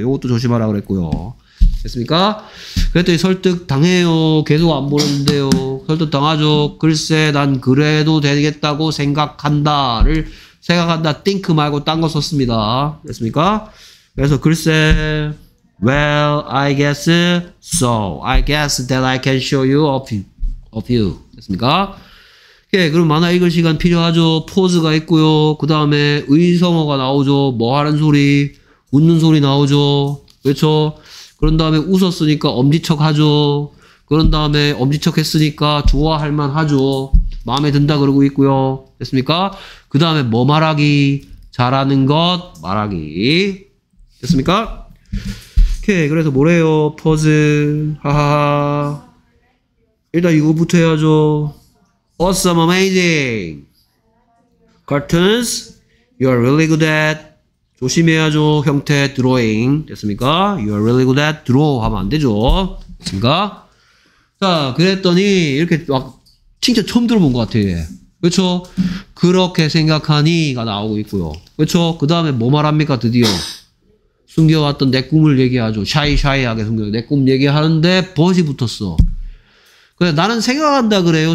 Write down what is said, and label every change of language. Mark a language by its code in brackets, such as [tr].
[ko] 이것도 조심하라 그랬고요. 됐습니까? 그랬더니 설득 당해요. 계속 안 보는데요. 설득 당하죠. 글쎄 난 그래도 되겠다고 생각한다를 생각한다 think 말고 딴 거 썼습니다. 됐습니까? 그래서 글쎄 [en] well I guess so I guess that I can show you a few 됐습니까? [ko] 예, 그럼 만화 읽을 시간 필요하죠. 포즈가 있고요. 그 다음에 의성어가 나오죠. 뭐 하는 소리 웃는 소리 나오죠. 그렇죠? 그런 다음에 웃었으니까 엄지척 하죠. 그런 다음에 엄지척 했으니까 좋아할만 하죠. 마음에 든다 그러고 있고요. 됐습니까? 그 다음에 뭐 말하기? 잘하는 것 말하기. 됐습니까? 오케이. 그래서 뭐래요? 퍼즈. 하하하. 일단 이거부터 해야죠. [en] Awesome, amazing. Cartoons, you are really good at. [ko] 조심해야죠. 형태 드로잉 됐습니까? [en] You are really good at draw [ko] 하면 안 되죠. 됐습니까? 자, 그랬더니 이렇게 막 진짜 처음 들어본 것 같아요. 그렇죠? 그렇게 생각하니가 나오고 있고요. 그렇죠? 그 다음에 뭐 말합니까? 드디어 숨겨왔던 내 꿈을 얘기하죠. 샤이샤이하게 숨겨. 내 꿈 얘기하는데 벗이 붙었어. 그래, 나는 생각한다 그래요.